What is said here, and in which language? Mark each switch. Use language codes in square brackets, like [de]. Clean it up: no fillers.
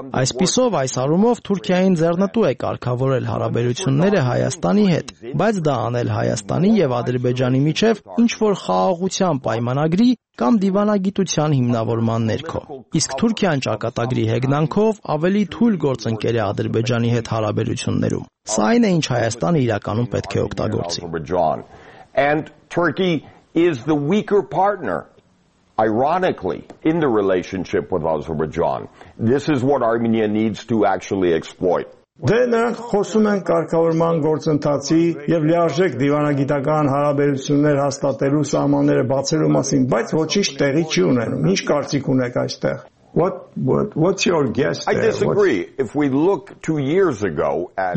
[hy] Այսպիսով այս առումով Թուրքիային ձեռնտու է կարգավորել հարաբերությունները Հայաստանի հետ, բայց դա անել Հայաստանի եւ Ադրբեջանի միջև ինչ որ խաղաղության պայմանագրի կամ դիվանագիտության հիմնավորման ներքո։ Իսկ Թուրքիան ճակատագրի հեգնանքով ավելի թույլ գործընկեր է Ադրբեջանի հետ հարաբերություններում։ Սա այն է, ինչ Հայաստանը իրականում պետք է օգտագործի։ [en] And Turkey is the weaker partner. Ironically, in the relationship with Azerbaijan, this is what Armenia needs to actually exploit. [hy] Դենը խոսում են կարգավորման գործընթացի եւ լիարժեք դիվանագիտական հարաբերություններ հաստատելու սահմանները բացելու մասին, բայց ոչինչ տեղի չի ունենում։ Ինչ կարծիք ունեք այստեղ? [en] What's your guess? I disagree. If we look 2 years ago at